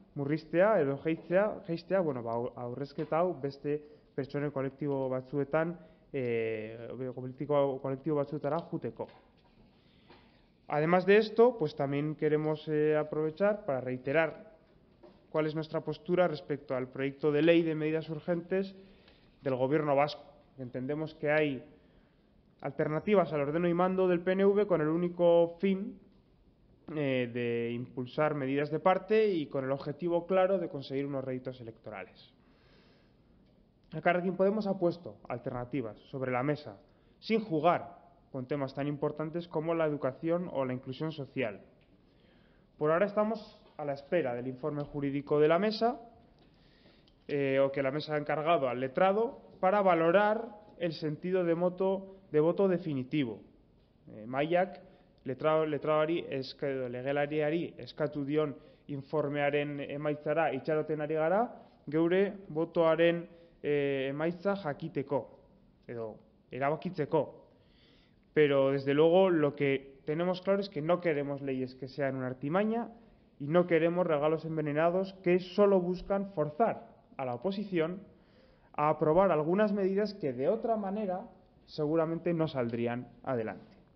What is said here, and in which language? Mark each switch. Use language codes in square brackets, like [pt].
[eu] Murriztea edo jeistea, bueno, ba, aurrezketa hau beste pertsone kolektibo batzuetan, kolektibo batzuetara juteko. [es] Además de esto, pues también queremos aprovechar para reiterar cuál es nuestra postura respecto al proyecto de ley de medidas urgentes del Gobierno Vasco. Entendemos que hay alternativas al ordeno y mando del PNV con el único fin de impulsar medidas de parte y con el objetivo claro de conseguir unos réditos electorales. El Carrequín Podemos ha puesto alternativas sobre la mesa, sin jugar con temas tan importantes como la educación o la inclusión social. Por ahora estamos a la espera del informe jurídico de la mesa, o que la mesa ha encargado al letrado, para valorar el sentido de voto definitivo. [eu] Mayak, letrauari, legelariari eskatu dion informearen emaitzara itxaroten ari gara, geure botoaren emaitza jakiteko, edo erabakitzeko. [es] Pero, desde luego, lo que tenemos claro es que no queremos leyes que sean una artimaña y no queremos regalos envenenados que solo buscan forzar a la oposición a aprobar algunas medidas que, de otra manera, seguramente no saldrían adelante.